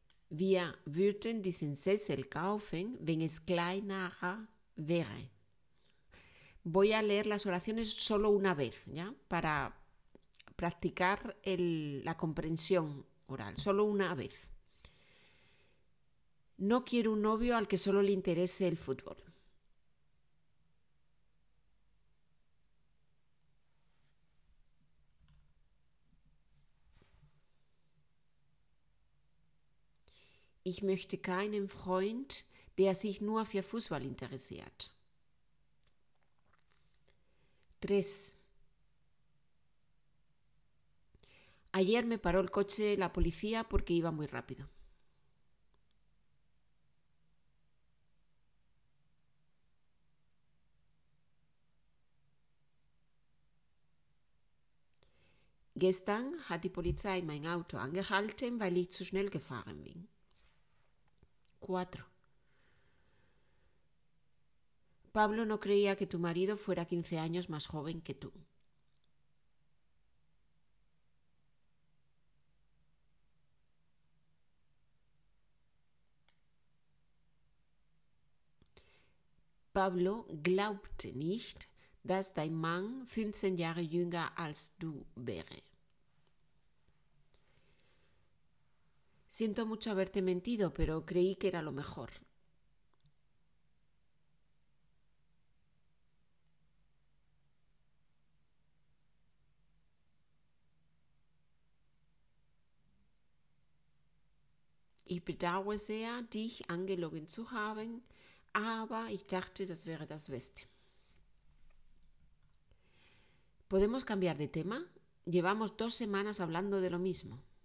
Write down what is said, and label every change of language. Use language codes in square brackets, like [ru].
[de] Wir würden diesen Sessel kaufen, wenn es kleiner wäre. [es] Voy a leer las oraciones solo una vez, ¿ya? Para practicar la comprensión oral, solo una vez. No quiero un novio al que solo le interese el fútbol. [de] Ich möchte keinen Freund, der sich nur für Fußball interessiert. 3. [es] Ayer me paró el coche la policía porque iba muy rápido. [de] Gestern hat die Polizei mein Auto angehalten, weil ich zu schnell gefahren bin. 4. [es] Pablo no creía que tu marido fuera 15 años más joven que tú. [de] Pablo glaubte nicht, dass dein Mann 15 Jahre jünger als du wäre. [es] Siento mucho haberte mentido, pero creí que era lo mejor. [de] Ich bedauere sehr, dich angelogen zu haben, aber ich dachte, das wäre das Beste. [es] ¿Podemos cambiar de tema? Llevamos 2 semanas hablando de lo mismo.